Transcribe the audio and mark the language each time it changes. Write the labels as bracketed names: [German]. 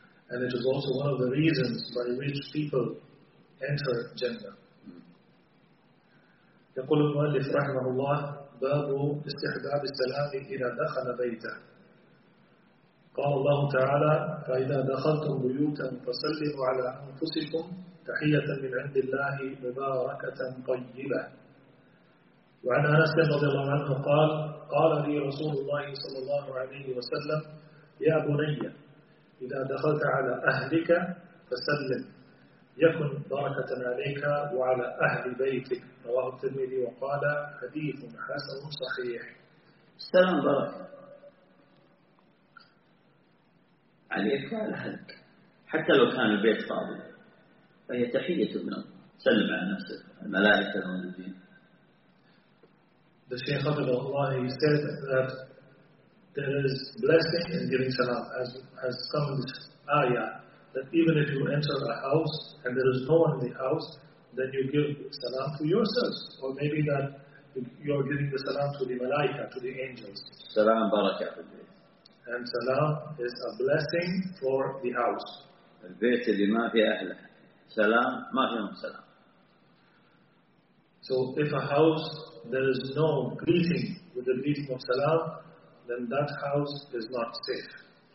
[English] And it is also one of the reasons by which people enter Jannah. [Arabic] يقول المؤلف رحمه الله باب استحباب السلام إذا دخل بيته. قال الله تعالى فإذا دخلتم بيوتا فسلموا على أنفسكم تحية من عند الله مباركة طيبة. وعن أنس رضي الله عنه قال قال لي رسول الله صلى الله عليه وسلم يا بني إذا دخلت على أهلك فسلم يكن بركة عليك وعلى أهل بيتك. رواه الترمذي وقال حديث حسن صحيح. السلام بركة عليك وعلى أهلك حتى لو كان البيت فاضي فهي تحية من الله. سلم على نفسك الملائكة الموجودين. [English] The Shaykh of Allah, he said that there is blessing in giving salam, as has come in this ayah, that even if you enter a house and there is no one in the house, then you give salam to yourselves, or maybe that you are giving the salam to the malaika, to the angels. [Arabic] Salam barakah. [English] And salam is a blessing for the house. [Arabic] البيت اللي ما في أهله سلام ما فيهم سلام. [English] So if a house there is no greeting with the greeting of salam, then that house is not safe.